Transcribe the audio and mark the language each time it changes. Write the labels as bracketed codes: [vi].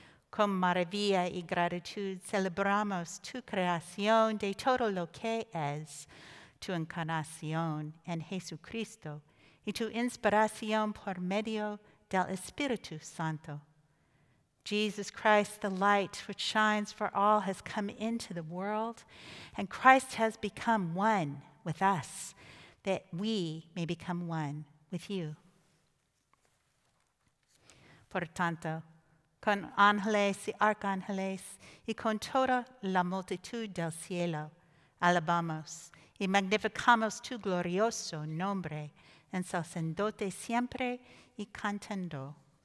[es] Con maravilla y gratitud celebramos tu creación de todo lo que es, tu encarnación en Jesucristo y tu inspiración por medio del Espíritu Santo. [en] Jesus Christ, the light which shines for all, has come into the world, and Christ has become one with us, that we may become one with you. [es] Por tanto, con ángeles y arcángeles y con toda la multitud del cielo, alabamos y magnificamos tu glorioso nombre, ensalzándote siempre y cantando.